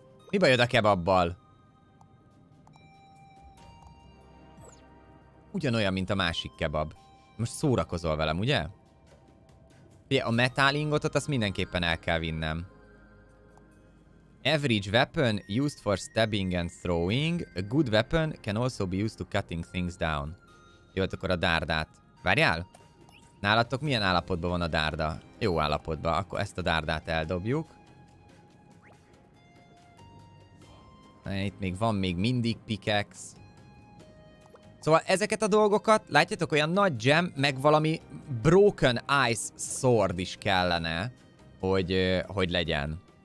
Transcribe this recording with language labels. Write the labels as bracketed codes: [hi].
[hu] Mi bajod a kebabbal? Ugyanolyan, mint a másik kebab. Most szórakozol velem, ugye? Ugye a metal ingotot azt mindenképpen el kell vinnem. [en] Average weapon used for stabbing and throwing. A good weapon can also be used to cutting things down. [hu] Jó, akkor a dárdát. Várjál? Nálatok milyen állapotban van a dárda? Jó állapotban. Akkor ezt a dárdát eldobjuk. Itt még van még mindig pickax. Szóval ezeket a dolgokat, látjátok, olyan nagy gem, meg valami broken ice sword is kellene, hogy legyen.